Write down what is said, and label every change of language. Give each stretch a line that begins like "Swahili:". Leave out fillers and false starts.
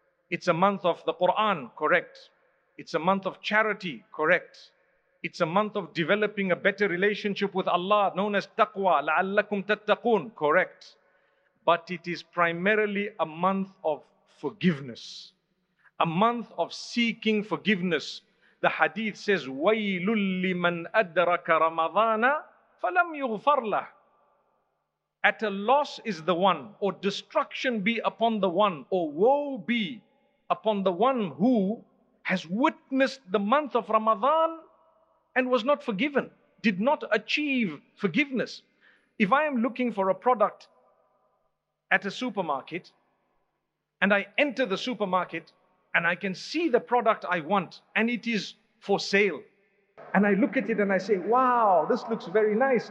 English: It's a month of the Quran, correct. It's a month of charity, correct. It's a month of developing a better relationship with Allah, known as taqwa,
Arabic: la'allakum tattaqoon,
English: correct. But it is primarily a month of forgiveness, a month of seeking forgiveness. The hadith says,
Arabic: وَيْلٌ لِّمَنْ أَدْرَكَ رَمَضَانَ فَلَمْ يُغْفَرْ لَهُ.
English: At a loss is the one, or destruction be upon the one, or woe be upon the one who has witnessed the month of Ramadan and was not forgiven. did not achieve forgiveness. If I am looking for a product at a supermarket and I enter the supermarket and I can see the product I want and it is for sale, and I look at it and I say, wow, this looks very nice.